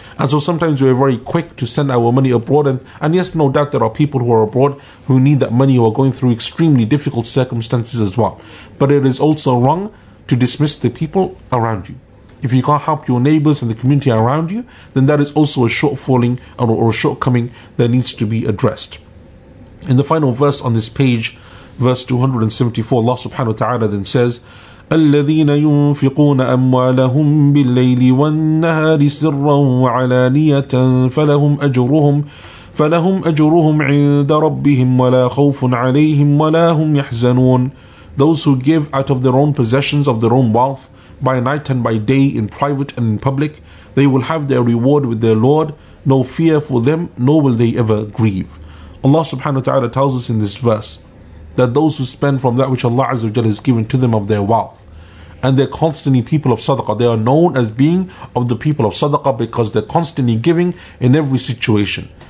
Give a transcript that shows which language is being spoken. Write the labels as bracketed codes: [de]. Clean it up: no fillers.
[en] And so sometimes we are very quick to send our money abroad. And yes, no doubt there are people who are abroad who need that money, who are going through extremely difficult circumstances as well. But it is also wrong to dismiss the people around you. If you can't help your neighbors and the community around you, then that is also a shortfalling or a shortcoming that needs to be addressed. In the final verse on this page, verse 274, Allah subhanahu wa ta'ala then says, [ar] الذين ينفقون أموالهم بالليل والنهار سرا وعلانية فلهم أجرهم عند ربهم ولا خوف عليهم ولا هم يحزنون. [en] Those who give out of their own possessions, of their own wealth, by night and by day, in private and in public, they will have their reward with their Lord. No fear for them, nor will they ever grieve. Allah subhanahu wa ta'ala tells us in this verse that those who spend from that which Allah Azza wa Jalla has given to them of their wealth, and they're constantly people of sadaqah, they are known as being of the people of sadaqah because they're constantly giving in every situation.